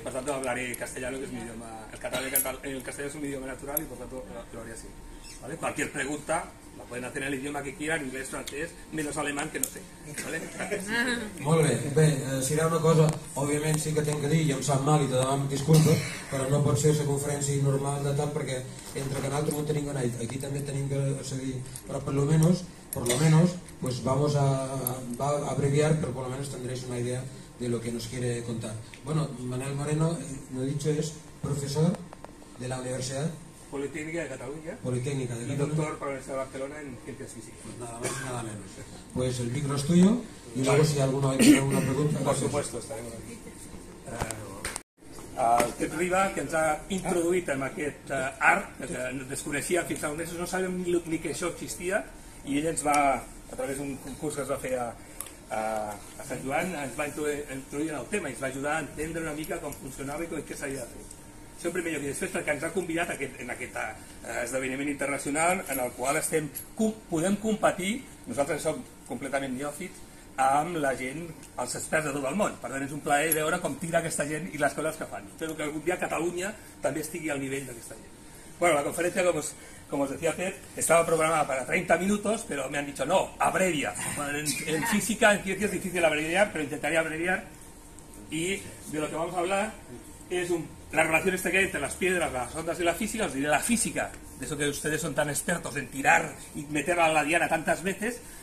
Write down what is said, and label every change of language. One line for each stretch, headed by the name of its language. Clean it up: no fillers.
Catalan: Per tant,
Spanish: hablaré
Catalan: castellà, que és un idioma... El castellà és un idioma natural i per tant, hablaré així.
Spanish: ¿Vale? Cualquier pregunta la pueden hacer en el idioma que quieran, inglés, francés, menos alemán, que no sé. ¿Vale?
Catalan: Molt bé. Bé, serà una cosa, òbviament sí que tinc que dir, i em sap mal i te demanem disculpes, però no pot ser la conferència normal de tal, perquè entre que nosaltres no tenim ganat, aquí també tenim que seguir, però per lo menos,
Spanish: pues vamos a abreviar, pero por lo menos tendréis una idea de lo que nos quiere contar. Bueno, Manuel Moreno, lo he dicho, es profesor de la Universidad Politécnica de Cataluña. Politécnica de y Cataluña. Doctor para la Universidad de Barcelona en Ciencias Físicas. Pues nada más y nada menos. Pues el micro es tuyo y luego si alguno hay alguna pregunta. Por supuesto, estaremos aquí.
Catalan: El Pep Riba, que ens ha introduït en aquest art, que desconeixia fins a un mes, no sabem ni que això existia, i ell ens va, a través d'un concurs que es va fer a Sant Joan, ens va introduir en el tema i ens va ajudar a entendre una mica com funcionava i com què s'havia de fer. Això en primer lloc, i després perquè ens ha convidat en aquest esdeveniment internacional en el qual podem competir, nosaltres som completament neòfits, amb la gent, els experts de tot el món. Per tant, és un plaer veure com tira aquesta gent i les coses que fan. Espero que algun dia Catalunya també estigui al nivell d'aquesta gent.
Spanish: Bueno, la conferència, como os decía Pep, estaba programada para 30 minutos, pero me han dicho no, abrevia. En física, en ciencia es difícil abreviar, pero intentaré abreviar. Y de lo que vamos a hablar es la relación que hay entre las piedras, las ondas y la física. Os diré la física, de eso que ustedes son tan expertos en tirar y meter a la diana tantas veces.